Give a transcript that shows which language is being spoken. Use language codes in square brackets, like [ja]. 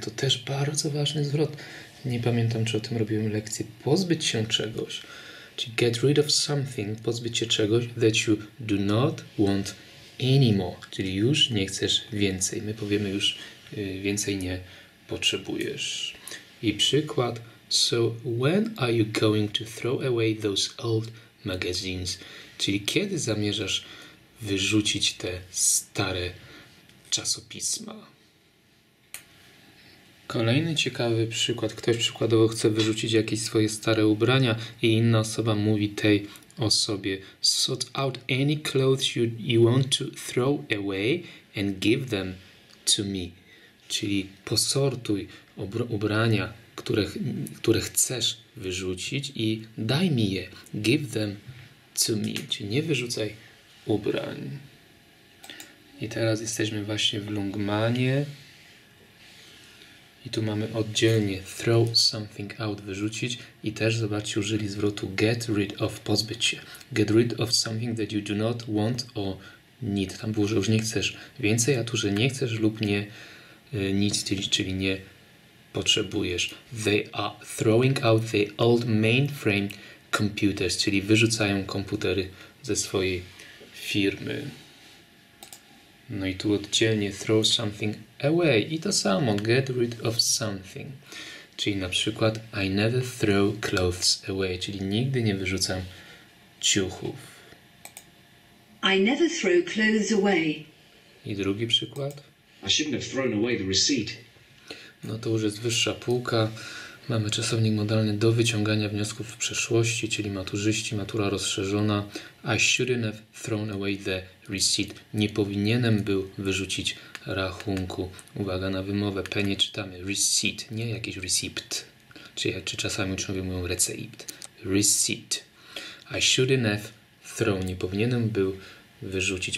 [pl] To też bardzo ważny zwrot. Nie pamiętam, czy o tym robiłem lekcję. Pozbyć się czegoś. Czyli [en] get rid of something, [pl] pozbyć się czegoś [en] that you do not want anymore. [pl] Czyli już nie chcesz więcej. My powiemy już więcej nie potrzebujesz. I przykład. [en] So when are you going to throw away those old magazines? [pl] Czyli kiedy zamierzasz wyrzucić te stare czasopisma? Kolejny ciekawy przykład. Ktoś przykładowo chce wyrzucić jakieś swoje stare ubrania i inna osoba mówi tej osobie: [en] sort out any clothes you want to throw away and give them to me. [pl] Czyli posortuj ubrania, które chcesz wyrzucić i daj mi je. [en] Give them to me. [pl] Czyli nie wyrzucaj ubrań. I teraz jesteśmy właśnie w Lungmanie. I tu mamy oddzielnie [en] throw something out, [pl] wyrzucić. I też zobaczcie, użyli zwrotu [en] get rid of, [pl] pozbyć się. [en] Get rid of something that you do not want or need. [pl] Tam było, że już nie chcesz więcej, a tu, że nie chcesz lub nie nic, czyli nie potrzebujesz. [en] They are throwing out the old mainframe computers, [pl] czyli wyrzucają komputery ze swojej firmy. No i tu oddzielnie [en] throw something away [pl] i to samo, [en] get rid of something. [pl] Czyli na przykład [en] I never throw clothes away, [pl] czyli nigdy nie wyrzucam ciuchów. [en] I never throw clothes away. [pl] I drugi przykład. [en] I shouldn't have thrown away the receipt. [pl] No to już jest wyższa półka. Mamy czasownik modalny do wyciągania wniosków w przeszłości, czyli maturzyści, matura rozszerzona. [en] I shouldn't have thrown away the receipt. [pl] Nie powinienem był wyrzucić rachunku. Uwaga na wymowę. P nie czytamy. Receipt, nie jakiś receipt. Czy czasami uczniowie mówią receipt. Receipt. [en] I shouldn't have thrown. [pl] Nie powinienem był wyrzucić.